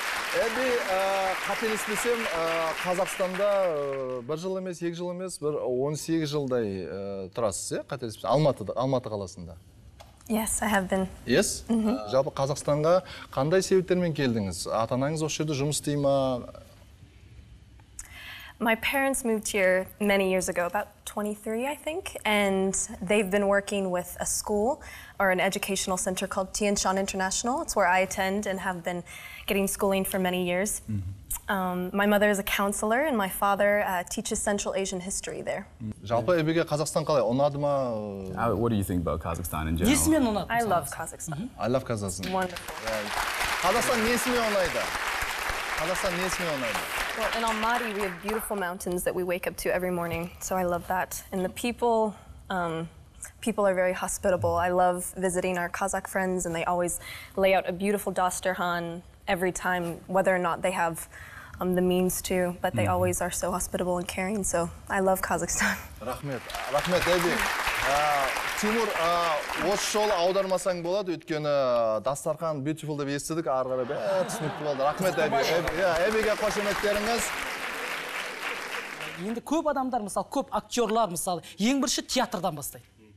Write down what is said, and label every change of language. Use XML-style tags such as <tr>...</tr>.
<kk>Әбі, қателеспесем, Қазақстанда бір жыл емес, екі жыл емес, бір 18 жылдай тұрасыз, е? Қателеспесем, Алматы қаласында.</kk> <en>Yes, I have been. Yes?</en> <kk>Жалпы Қазақстанға қандай себептермен келдіңіз? Ата-анаңыз осы жерде жұмыс істей ма?</kk> <en>My parents moved here many years ago, about 23, I think, and they've been working with a school or an educational center called Tian Shan International. It's where I attend and have been getting schooling for many years. Mm-hmm. My mother is a counselor, and my father teaches Central Asian history there.</en> <kk>Жалпы эбиге Қазақстан қалай ұнады ма?</kk> <en>What do you think about Kazakhstan in general?</en> <kk>Несімен ұнады?</kk> <en>I love Kazakhstan. I love Kazakhstan. Wonderful.</en> <kk>Қазақстан несімен ұнайды? Қазақстан несімен ұнайды?</kk> <en>Well, in Almaty, we have beautiful mountains that we wake up to every morning, so I love that. And the people, people are very hospitable. I love visiting our Kazakh friends, and they always lay out a beautiful dasturhan every time, whether or not they have the means to, but they always are so hospitable and caring, so I love Kazakhstan.</en> <kk>Рахмет. Рахмет, Эбби. Тимур, осы жолы аудармасаң болады, өйткені дастархан beautiful деп естідік, ары қарай бәрі түсінікті болды. Рахмет, Эбби. Эббиге қошеметтеріңіз. Енді көп адамдар, мысалы, көп актерлар, мысалы, ең бірінші театрдан бастайды.</kk>